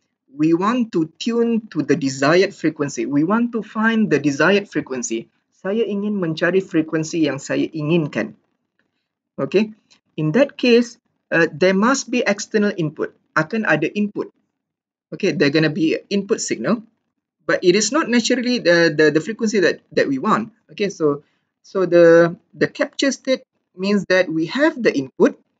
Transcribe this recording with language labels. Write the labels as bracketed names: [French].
[English] We want to tune to the desired frequency. We want to find the desired frequency. [Malay] Saya ingin mencari frequency yang saya inginkan. [English] Okay, in that case, there must be external input. [Malay] Akan ada input. [English] Okay, there gonna be an input signal, but it is not naturally the frequency that we want. Okay, so the capture state means that we have the input.